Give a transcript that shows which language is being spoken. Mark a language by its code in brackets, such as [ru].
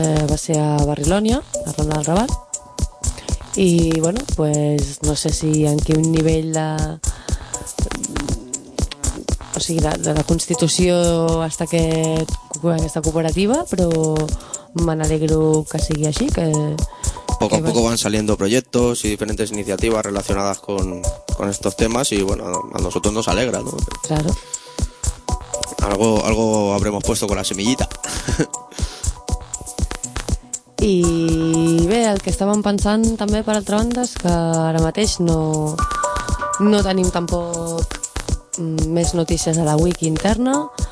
[ca] Va ser a Barrilònia, a Ronda del Raval. I, bueno, pues, no sé si en quin nivell de constitució està aquesta cooperativa, però me n'alegro que sigui així. [es] Poco a poco van saliendo proyectos y diferentes iniciativas relacionadas con estos temas y, bueno, a nosotros nos alegra, ¿no? Claro. Algo habremos puesto con la semillita. [ca] I bé, el que estàvem pensant també per altra banda és que ara mateix no tenim tampoc més notícies de la wiki interna,